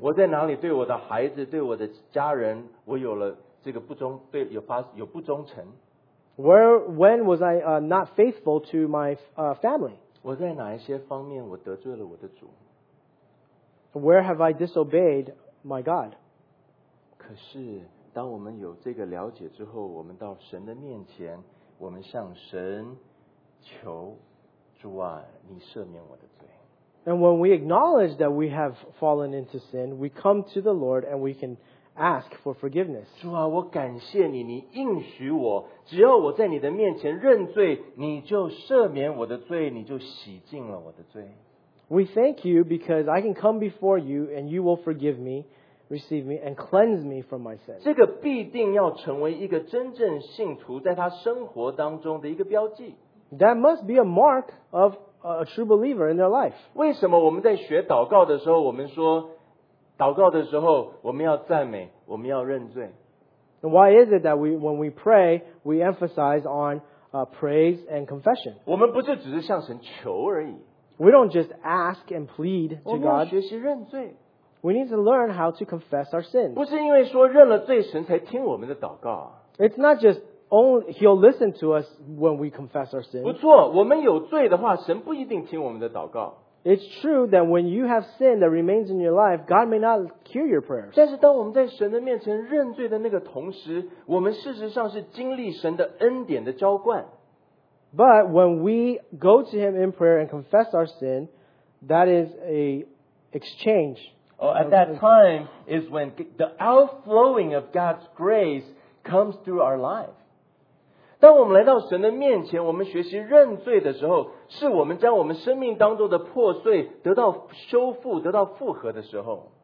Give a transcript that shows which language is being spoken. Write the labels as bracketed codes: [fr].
[zh] 我在哪里对我的孩子对我的家人我有了这个不忠对有发有不忠诚 [en] When was I not faithful to my family? [zh] 我在哪一些方面我得罪了我的主 [en] Where have I disobeyed my God? [zh] 可是当我们有这个了解之后，我们到神的面前，我们向神求，主啊，你赦免我的罪。 [en] And when we acknowledge that we have fallen into sin, we come to the Lord and we can ask for forgiveness. [zh] 主啊，我感谢你，你应许我，只要我在你的面前认罪，你就赦免我的罪，你就洗净了我的罪。 [en] We thank you because I can come before you and you will forgive me, receive me, and cleanse me from my sin. [zh] 这个必定要成为一个真正信徒在他生活当中的一个标记。 [en] That must be a mark of a true believer in their life. [zh] 为什么我们在学祷告的时候，我们说祷告的时候我们要赞美，我们要认罪。 [en] Why is it that when we pray, we emphasize on praise and confession? [zh] 我们不是只是向神求而已。 [en] We don't just ask and plead to God. [zh] 我们要学习认罪。 [en] We need to learn how to confess our sins. [zh] 不是因为说认了罪神才听我们的祷告。 [en] It's not just He'll listen to us when we confess our sins. [zh] 不错，我们有罪的话，神不一定听我们的祷告。 [en] It's true that when you have sin that remains in your life, God may not hear your prayers. [zh] 但是当我们在神的面前认罪的那个同时，我们事实上是经历神的恩典的浇灌。 [en] But when we go to Him in prayer and confess our sin, that is an exchange. Oh, at that time is when the outflowing of God's grace comes through our life. [zh] 当我们来到神的面前，我们学习认罪的时候，是我们将我们生命当中的破碎得到修复，得到复合的时候。